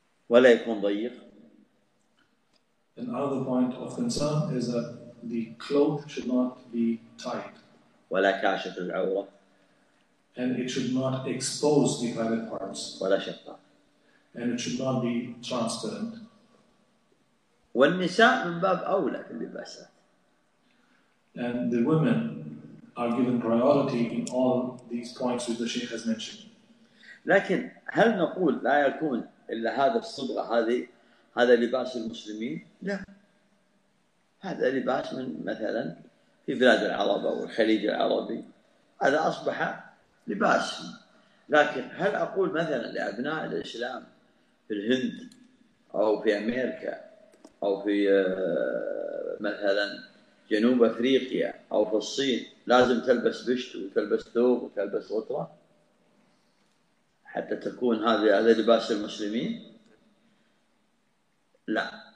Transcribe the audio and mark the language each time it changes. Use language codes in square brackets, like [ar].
[ar] وَلَا يَكُونَ ضَيِّقٌ. [en] Another point of concern is that the cloak should not be tight. [ar] ولا كاشف العورة. [en] And it should not expose the private parts. [ar] ولا شفاف. [en] And it should not be transparent. [ar] والنساء من باب أولى في اللباسات. [en] And the women are given priority in all these points which the Sheikh has mentioned. [ar] لكن هل نقول لا يكون إلا هذا الصبغة هذه هذا لباس المسلمين؟ لا. هذا لباس من مثلا في بلاد العرب أو الخليج العربي هذا أصبح لباس. لكن هل أقول مثلا لأبناء الإسلام في الهند أو في أمريكا أو في مثلا جنوب أفريقيا أو في الصين لازم تلبس بشت وتلبس ثوب وتلبس غطرة حتى تكون هذا لباس المسلمين؟ لا.